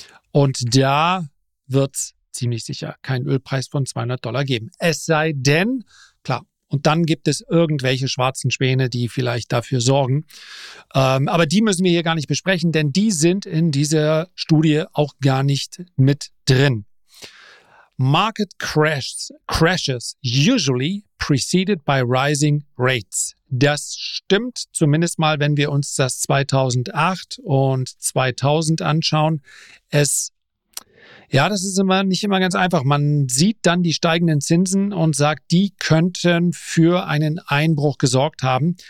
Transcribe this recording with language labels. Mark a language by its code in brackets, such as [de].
[de] Und da wird es ziemlich sicher keinen Ölpreis von $200 geben. Es sei denn, klar, und dann gibt es irgendwelche schwarzen Schwäne, die vielleicht dafür sorgen. Aber die müssen wir hier gar nicht besprechen, denn die sind in dieser Studie auch gar nicht mit drin. [en] Market crashes usually preceded by rising rates. [de] Das stimmt zumindest mal, wenn wir uns das 2008 und 2000 anschauen. Das ist immer nicht immer ganz einfach. Man sieht dann die steigenden Zinsen und sagt, die könnten für einen Einbruch gesorgt haben.